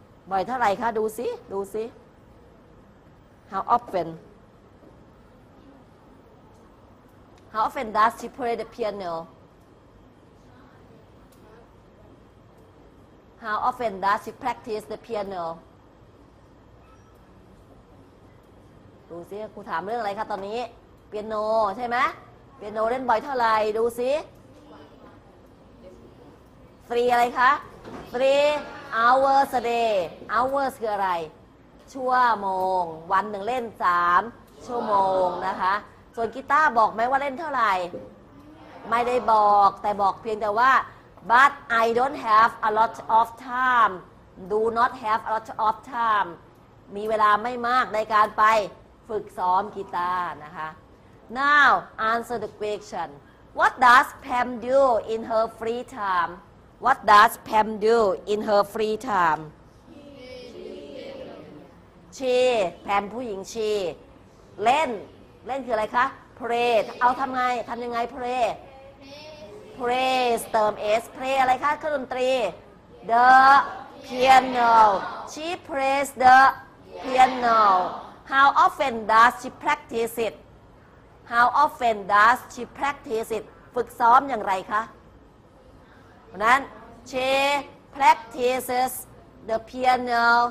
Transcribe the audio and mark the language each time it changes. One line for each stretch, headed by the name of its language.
Thai: บ่อยเท่าไหร่คะดูสิ
English: How often? How often does she play the pianoHow often does she practice the piano?
Thai: ดูสิครูถามเรื่องอะไรคะตอนนี้เปียโนใช่ไหมเปียโนเล่นบ่อยเท่าไหร่ดูสิ3อะไรคะ
English: 3 hours a day hours
Thai: คืออะไรชั่วโมงวันหนึ่งเล่น3ชั่วโมงนะคะส่วนกีตาร์บอกไหมว่าเล่นเท่าไหร่ไม่ได้บอกแต่บอกเพียงแต่ว่า
English: But I don't have a lot of time. Do not have a lot of time.
Thai: มีเวลาไม่มากในการไปฝึกซ้อมกีตาร์นะคะ
English: Now answer the question. What does Pam do in her free time? What does Pam do in her free time? She Pam
Thai: ผู้หญิง
English: she
Thai: เล่นคืออะไรคะ
English: Play
Thai: เอาทำยังไง
English: PlayPlays
Thai: เติม
English: s play
Thai: อะไรคะเครื่องดนตรี
English: the piano she plays the piano how often does she practice it how often does she practice it
Thai: ฝึกซ้อมอย่างไรคะนั้น
English: she practices the piano